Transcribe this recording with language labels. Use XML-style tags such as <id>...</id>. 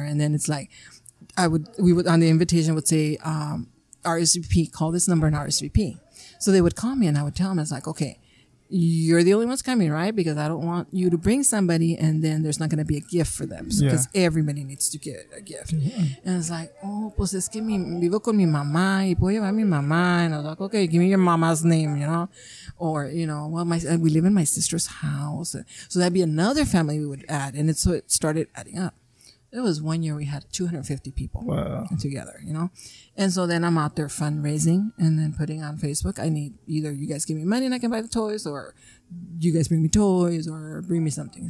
<en>And then it's like, we would on the invitation would say, RSVP, call this number and RSVP. So they would call me and I would tell them, it's like, okay, you're the only ones coming, right? Because I don't want you to bring somebody and then there's not going to be a gift for them. Because everybody needs to get a gift. Mm-hmm. And it's like, oh,</en> <es>pues es que vivo con mi mamá y puedo llevar mi mamá.</es> <en>And I was like, okay, give me your mama's name, you know? Or, you know, well, we live in my sister's house. So that'd be another family we would add. And so it started adding up. It was 1 year we had 250 people together, you know? And so then I'm out there fundraising and then putting on Facebook, I need either you guys give me money and I can buy the toys, or you guys bring me toys or bring me something.</en>